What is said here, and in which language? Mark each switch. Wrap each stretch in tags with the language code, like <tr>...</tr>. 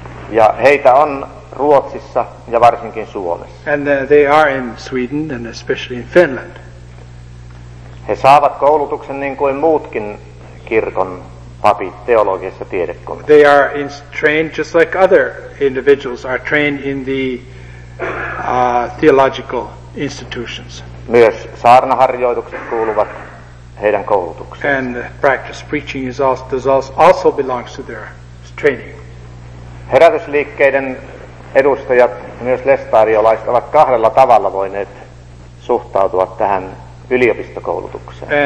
<fi>Ja heitä on Ruotsissa ja varsinkin Suomessa.</fi> <en>And they are in Sweden and especially in Finland.</en> <fi>He saavat koulutuksen niin kuin muutkin kirkon papit teologisessa tiedekunnassa.</fi> <en>They are trained just like other individuals are trained in the theological institutions.</en> <fi>Myös saarnaharjoitukset kuuluvat heidän koulutukseen.</fi> <en>And practice preaching is also belongs to their training.</en> <fi>Herätysliikkeiden edustajat, myös lestariolaiset, ovat kahdella tavalla voineet suhtautua tähän yliopistokoulutukseen.</fi>